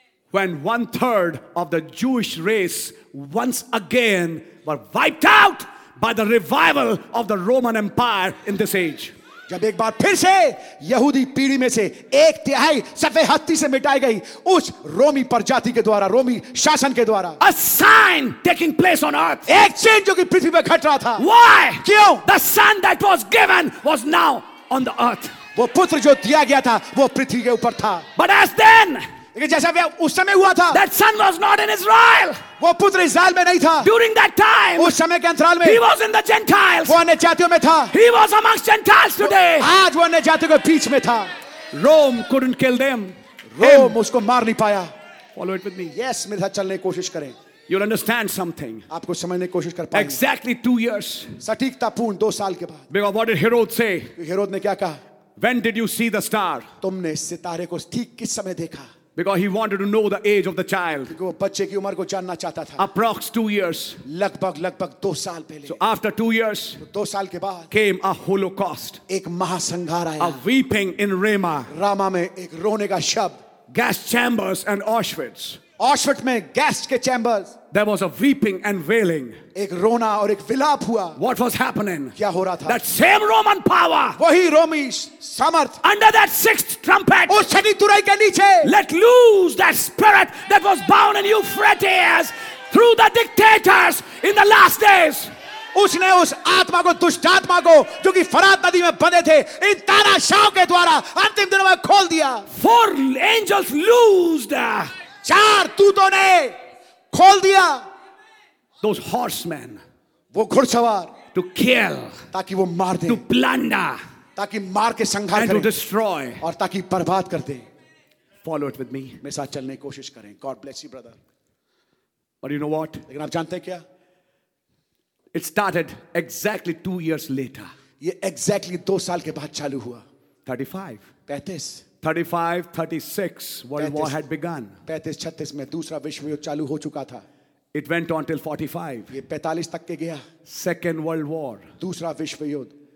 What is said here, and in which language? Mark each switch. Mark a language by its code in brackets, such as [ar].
[en] When 1/3 of the Jewish race once again were wiped out by the revival of the Roman Empire in this age. [hi] जब एक बार फिर से यहूदी पीढ़ी में से एक तिहाई सफेद हत्ती से मिटाई गई उस रोमी प्रजाति के द्वारा, रोमी शासन के द्वारा. [en] A sign taking place on earth. [hi] एक चीज जो कि पृथ्वी पर घट रहा था. [en] Why? [hi] क्यों? [en] The son that was given was now on the earth. [hi] वो पुत्र जो दिया गया था वो पृथ्वी के ऊपर था. [en] But as then, [hi] जैसा उस समय हुआ था, [en] that son was not in Israel. [hi] वो पुत्र इज़राइल में नहीं था. [en] During that time, [hi] उस समय के अंतराल में, [en] he was in the Gentiles. [hi] वो अन्य जातियों में था. [en] He was amongst Gentiles today. [hi] आज वो अन्य जातियों के बीच में था. [en] Rome couldn't kill them. [hi] रोम उसको मार नहीं पाया. [en] Follow it with me. [hi] Yes, मेरे साथ चलने की कोशिश करें. [en] You'll understand something. [hi] आपको समझने की कोशिश कर पाएंगे. [en] Exactly 2 years. [hi] सटीकता पूर्ण 2 साल के बाद. [en] Because what did Herod say? [hi] Herod ने क्या कहा? [en] When did you see the star? [hi] तुमने सितारे को ठीक किस समय देखा? [en] Because he wanted to know the age of the child. [hi] क्योंकि वो बच्चे की उम्र को जानना चाहता था. [en] Approx 2 years. [hi] लगभग 2 साल पहले. [en] So after 2 years. [hi] 2 साल के बाद. [en] Came a holocaust. [hi] एक महासंहार आया. [en] A weeping in Rama. [hi] Rama में एक रोने का शब्द. [en] Gas chambers and Auschwitz. [hi] Auschwitz में गैस के chambers. [en] There was a weeping and wailing. [hi] एक रोना और एक विलाप हुआ. [en] What was happening? [hi] क्या हो रहा था? [en] That same Roman power. [hi] वही रोमी सामर्थ. [en] Under that sixth trumpet. [hi] उस छठी तुराई के नीचे. [en] Let loose that spirit that was bound in you fretters through the dictators in the last days. [hi] उसने उस आत्मा को दुष्ट आत्मा को जो कि फरात नदी में बंधे थे इन तानाशाहों के द्वारा अंतिम दिनों में खोल दिया. [en] Four angels loosed. [hi] चार तूतों ने खोल दिया. [en] Those horsemen, [hi] वो घुड़सवार, [en] to kill, [hi] ताकि वो मार दे, [en] to plunder, [hi] ताकि मार के संघार करें, [en] to destroy, [hi] और ताकि बर्बाद कर दे. [en] Follow it with me. [hi] मेरे साथ चलने की कोशिश करें. [en] God bless you, brother. But you know what? [hi] लेकिन आप जानते हैं क्या? [en] It started exactly 2 years later. [hi] ये exactly 2 साल के बाद चालू हुआ. [en] 35. 35-36 World War had begun. [hi] 35-36 में दूसरा विश्व युद्ध चालू हो चुका था. [en] It went on till 45. [hi] ये 45 तक के गया. [en] Second World War. [hi] दूसरा विश्व युद्ध.